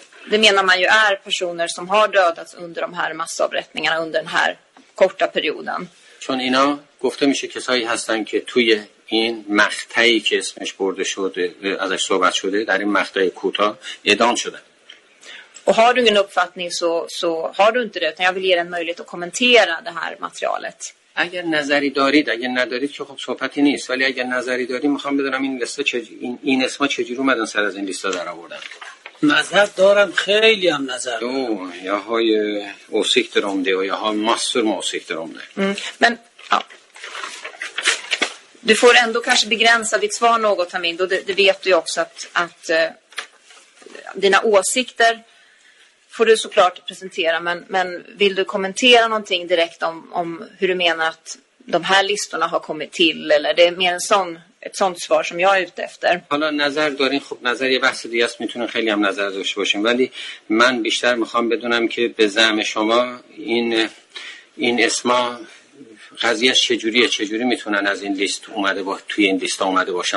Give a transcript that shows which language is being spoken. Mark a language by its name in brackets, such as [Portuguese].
[Swedish] Det menar man ju är personer som har dödats under de här massavrättningarna under den här korta perioden. [Persian] چون اینا گفته میشه کسایی هستن که توی این مقطعی که اسمش برده شده ازش صحبت شده در این مقطع کوتاه اعدام شدن. [Swedish] و har du ingen uppfattning så har du inte det, utan jag vill ge dig en möjlighet att kommentera det här materialet. [Persian] اگر نظری دارید، اگر ندارید که خب صحبتی نیست، ولی اگر نظری دارید میخوام بدونم این لیست این اسما چجوری اومدن سر از این لیست در آوردن. نظر دارم، خیلی هم نظر دارم. [Swedish] Jag har ju åsikter om det och jag har massor med åsikter om det. Men ja. Du får ändå kanske begränsa ditt svar något, Hamid, och det vet du ju också att dina åsikter får du såklart presentera, men vill du kommentera någonting direkt om hur du menar att de här listorna har kommit till, eller det är mer en sån ett sånt svar som jag är ute efter. [Persian] حالا نظر دارین خب نظر یه بحث دیگه است، میتونن خیلی هم نظر داشته باشین، ولی من بیشتر میخوام بدونم که به زعم شما این اسما قضیه چجوری میتونن از این لیست اومده با توی این لیست اومده باشن.